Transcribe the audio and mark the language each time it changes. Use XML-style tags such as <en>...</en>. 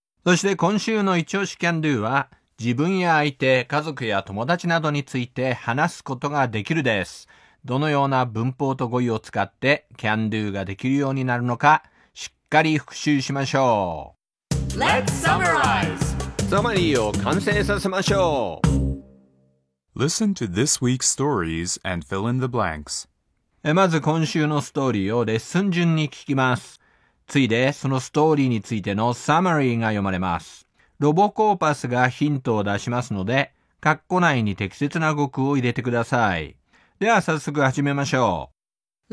<ja>そして今週の一押しキャンドゥは、自分や相手、家族や友達などについて話すことができるです。どのような文法と語彙を使ってキャンドゥができるようになるのか、しっかり復習しましょう。</ja> <en>Let's summarize!</en> <ja>サマリーを完成させましょう。</ja> <en>Listen to this week's stories and fill in the blanks.</en> <ja>まず今週のストーリーをレッスン順に聞きます。ついでそのストーリーについてのサマリーが読まれます。ロボコーパスがヒントを出しますので、括弧内に適切な語句を入れてください。では早速始めましょう。</ja>